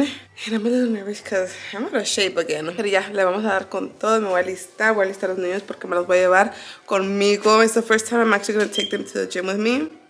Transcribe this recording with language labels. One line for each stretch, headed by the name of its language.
English: And I'm a little nervous because I'm out of shape again.
Spanish: Pero ya, le vamos a dar con todo. Me voy a alistar. Voy a alistar a los niños porque me los voy a llevar conmigo.
English: It's the first time I'm actually going to take them to the gym with me.